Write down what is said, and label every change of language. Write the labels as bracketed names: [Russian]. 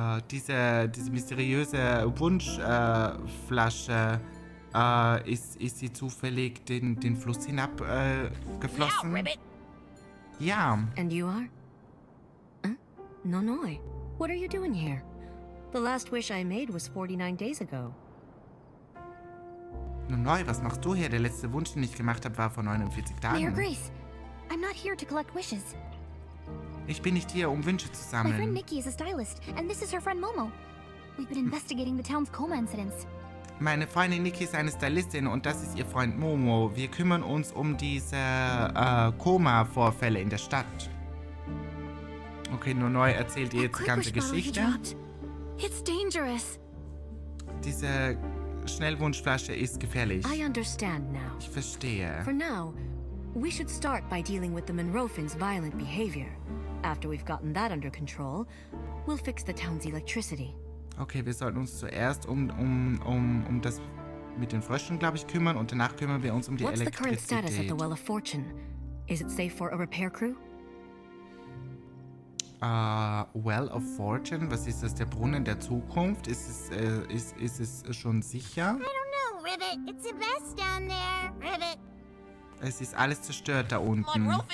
[German] Diese mysteriöse Wunschflasche, ist sie zufällig den Fluss hinab geflossen? Ja. [English] And you are? Huh? Nonoi, what are you doing here? The last wish I made was 49 days ago. [German] Nonoi, was machst du hier? Der letzte Wunsch, den ich gemacht habe, war vor 49 Tagen. [English] Mayor Grace. I'm not here to collect wishes. [German] Ich bin nicht hier, Wünsche zu sammeln. [English] My friend Nikki is a stylist, and this is her friend Momo. We've been investigating the town's coma incidents. [German] Meine Freundin Nikki ist eine Stylistin und das ist ihr Freund Momo. Wir kümmern uns diese Koma-Vorfälle in der Stadt. Okay, nur neu erzählt ihr jetzt die ganze Geschichte. [English] It's dangerous. [German] Diese Schnellwunschflasche ist gefährlich. [English] I understand now. [German] Ich verstehe. [English] For now, we should start by dealing with the Monrofin's violent behavior. After we've gotten that under control, we'll fix the town's electricity. [German] Okay, wir sollten uns zuerst um das mit den Fröschen, glaube ich, kümmern und danach kümmern wir uns um die Elektrizität. [English] What's the current status at the Well of Fortune? Is it safe for a repair crew? Well of Fortune? [German] Was ist das? Der Brunnen der Zukunft? Ist es schon sicher? [English] I don't know, Ribbit. It's a mess down there, Ribbit. [German] Es ist alles zerstört da unten.